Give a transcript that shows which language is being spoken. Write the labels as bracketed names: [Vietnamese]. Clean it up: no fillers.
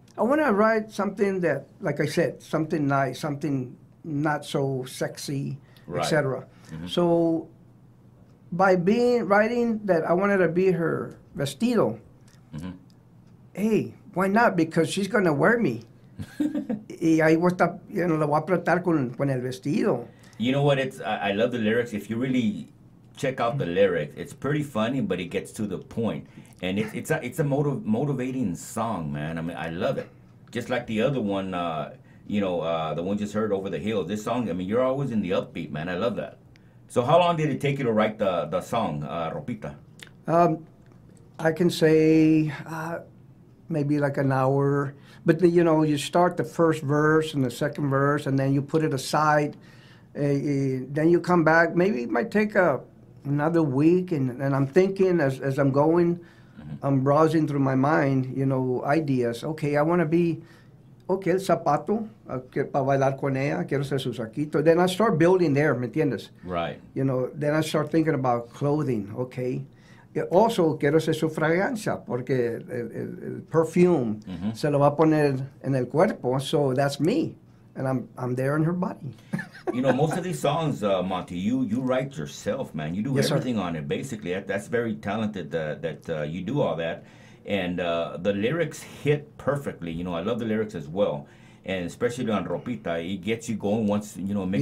[English] I want to write something that, like I said, something nice, something not so sexy, right, etc. Mm-hmm. So by writing that I wanted to be her vestido, hey, why not? Because she's going to wear me. [Spanish] Y ahí voy a estar, la voy a apretar con el vestido. [English] You know what? I love the lyrics. If you really check out the lyrics. It's pretty funny, but it gets to the point. And it's a motivating song, man. I mean, I love it. Just like the other one, the one just heard, Over the Hill. This song, I mean, you're always in the upbeat, man. I love that. So how long did it take you to write the song, Ropita? I can say maybe like an hour. But, you know, you start the first verse and the second verse, and then you put it aside. Then you come back. Maybe it might take another week. And I'm thinking as I'm going, I'm browsing through my mind, you know, ideas. Okay, I want to be, okay, [Spanish] el zapato, para bailar con ella, quiero ser su saquito. [English] Then I start building there, [Spanish] ¿me entiendes? [English] Right. You know, then I start thinking about clothing, okay. [Spanish] Also, quiero ser su fragancia, porque el perfume mm-hmm. se lo va a poner en el cuerpo, [English] so that's me, and I'm there in her body. You know, most of these songs, Monty, you write yourself, man. You do yes, everything sir. On it, basically. That's very talented that you do all that. And the lyrics hit perfectly. You know, I love the lyrics as well. And especially on Ropita, it gets you going once, you know, it makes